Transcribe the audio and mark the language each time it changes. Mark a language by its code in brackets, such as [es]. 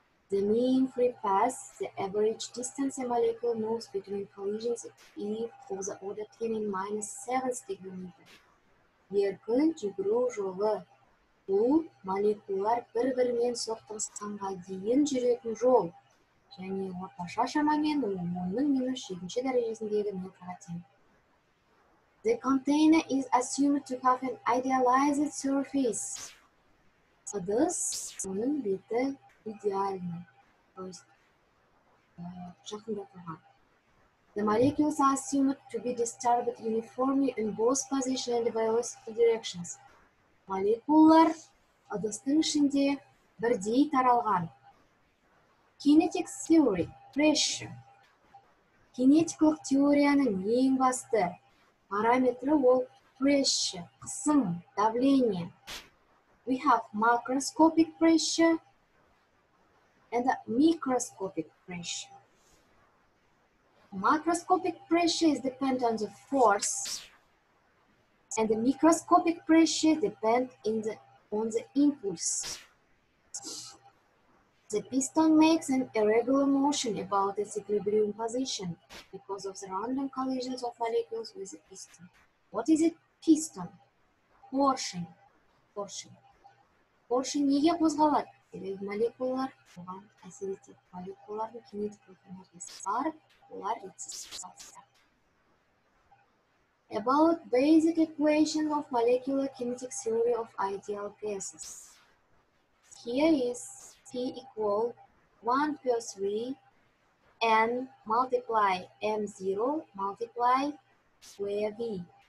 [en] The mean free pass, the average distance a molecule moves between collisions if for the order 10 in minus 7 degree meter. [kk] Еркін жүгіру жолы. Бұл молекулалар бір-бірімен соқтығысқанға дейін жүретін жол. Және орташа шамамен 10-ның минус 7 дәрежесіндегі метрға тең. [en] The container is assumed to have an idealized surface. [kk] Ыдыс оның беті идеальны. [ru] То есть [kk] жақында тұрған. [en] The molecules are assumed to be disturbed uniformly in both position and velocity directions. [kk] Молекулалар ыдыстың ішінде бірдей таралған. [en] Kinetic theory, pressure. [kk] Кинетикалық теорияның ең басты параметрі ол pressure, қысым, давление. [en] We have macroscopic pressure and the microscopic pressure. Macroscopic pressure is dependent on the force and the microscopic pressure depend on the impulse. The piston makes an irregular motion about its equilibrium position because of the random collisions of molecules with the piston. What is a piston? Поршень. Поршень. [kk] Поршень неге қозғалады? Себебі молекулалар оған әсер етеді. Молекулалардың кинетикалық энергиясы бар, олар ретсіз. [en] About basic equation of molecular kinetic theory of ideal gases. Here is P equal 1 per 3 N multiply M0 multiply square V.